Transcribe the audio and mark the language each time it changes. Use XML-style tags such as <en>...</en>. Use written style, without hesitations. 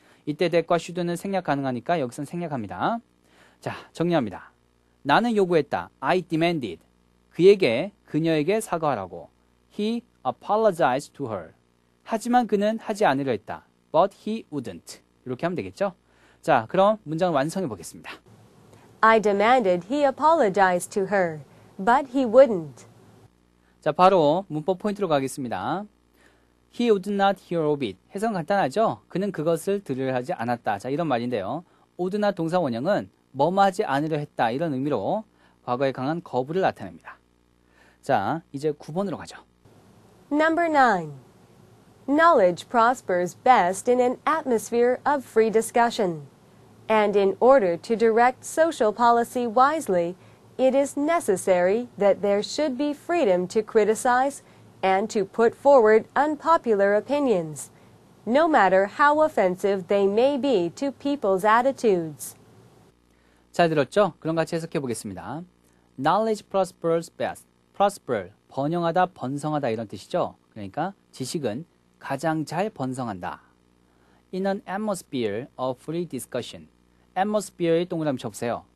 <ko>이때 that과 should는 생략 가능하니까 여기서는 생략합니다. 자, 정리합니다. 나는 요구했다.</ko> <en>I demanded</en> <ko>그에게 그녀에게 사과하라고</ko> <en>He apologized to her.</en> <ko>하지만 그는 하지 않으려 했다.</ko> <en>But he wouldn't.</en> <ko>이렇게 하면 되겠죠? 자, 그럼 문장을 완성해 보겠습니다.</ko> <en>I demanded he apologize to her, but he wouldn't.</en> <ko>자, 바로 문법 포인트로 가겠습니다.</ko> <en>He would not hear of it.</en> <ko>해석 간단하죠? 그는 그것을 들으려 하지 않았다. 자, 이런 말인데요. would not 동사 원형은 뭐뭐 하지 않으려 했다. 이런 의미로 과거에 강한 거부를 나타냅니다. 자, 이제 9번으로 가죠.</ko> <en>Number 9. Knowledge prospers best in an atmosphere of free discussion. And in order to direct social policy wisely, it is necessary that there should be freedom to criticize and to put forward unpopular opinions, no matter how offensive they may be to people's attitudes.</en> <ko>잘 들었죠? 그럼 같이 해석해 보겠습니다.</ko> <en>Knowledge prospers best.</en> <ko>Prosper, 번영하다, 번성하다 이런 뜻이죠. 그러니까 지식은 가장 잘 번성한다.</ko> <en>In an atmosphere of free discussion. Atmosphere의</en> <ko>동그라미 접세요.</ko>